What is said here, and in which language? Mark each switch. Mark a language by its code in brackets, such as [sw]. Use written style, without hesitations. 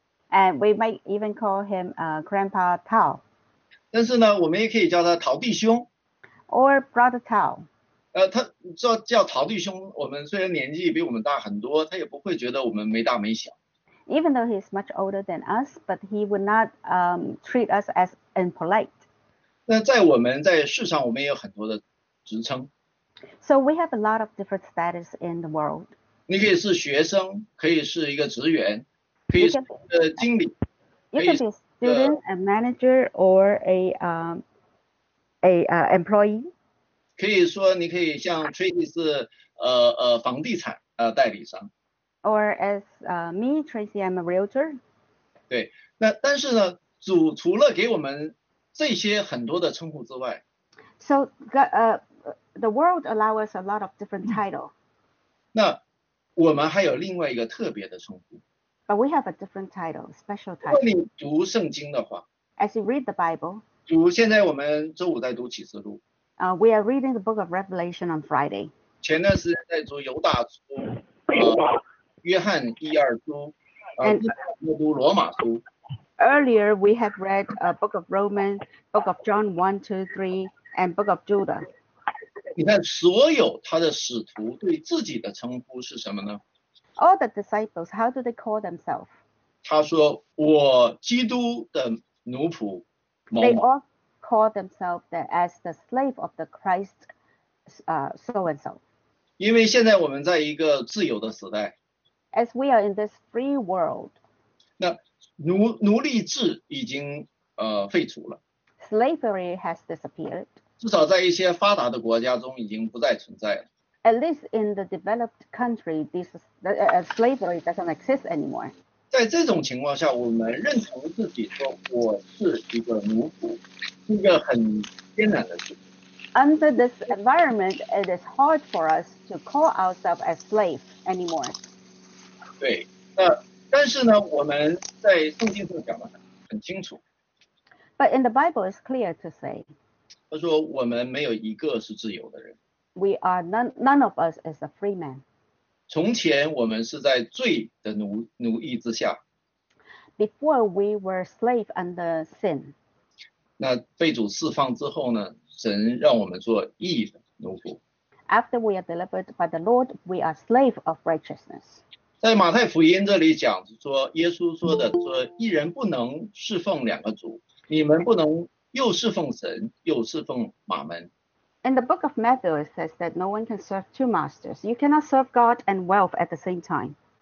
[en] And we might even call him Grandpa Tao. [zh] 但是呢，我们也可以叫他陶弟兄。 [en] Or Brother Tao. [zh] 他叫陶弟兄，我们虽然年纪比我们大很多，他也不会觉得我们没大没小。 [en] Even though he's much older than us, but he would not treat us as impolite. [zh] 那在我们在世上，我们也有很多的职称。 [en] So we have a lot of different status in the world. [zh] 你可以是学生，可以是一个职员，可以是一个经理。 [en] You can be a student, a manager, or a employee. [zh] 可以说你可以像 Tracy 是房地产代理商。 [en] Or as me, Tracy, I'm a realtor. [zh] 对，那但是呢，除了给我们这些很多的称呼之外， [en] So the world allows us a lot of different titles. [zh] 那我们还有另外一个特别的称呼。 [en] But we have a different title, special [zh] 如果 [en] title. [zh] 你读圣经的话， [en] As you read the Bible, [zh] 现在我们周五在读启示录， [en] we are reading the book of Revelation on Friday. [zh] 前段时间在读犹大书，约翰一二书， [en] And [zh] 又读罗马书。 [en] earlier, we have read a book of Romans, book of John 1, 2, 3, and book of Judah. [zh] 你看，所有他的使徒对自己的称呼是什么呢？ [en] All the disciples, how do they call themselves? [zh] 他说：“我基督的奴仆某 [en] They [zh] 某。 [en] all call themselves as the slave of the Christ, so and so. [zh] ”因为现在我们在一个自由的时代， [en] As we are in this free world, [zh] 那奴隶制已经废除了， [en] slavery has disappeared. [zh] 至少在一些发达的国家中已经不再存在了。 [en] At least in the developed country, slavery doesn't exist anymore. [zh] 在这种情况下，我们认同自己说我是一个奴仆，是一个很艰难的事情。 [en] Under this environment, it is hard for us to call ourselves as slaves anymore. [zh] 对，但是呢，我们在圣经上讲的很清楚， [en] But in the Bible, it's clear to say, [zh] 他说我们没有一个是自由的人。 [en] We are none of us is a free man. [zh] 从前我们是在罪的奴役之下， [en] Before we were slaves under sin. [zh] 那被主释放之后呢，神让我们做义的奴仆。 [en] After we are delivered by the Lord, we are slaves of righteousness. [zh] 在马太福音这里讲说，耶稣说的说，一人不能侍奉两个主，你们不能又侍奉神又侍奉马门。 [en] In the book of Matthew, it says that no one can serve two masters. You cannot serve God and wealth at the same time.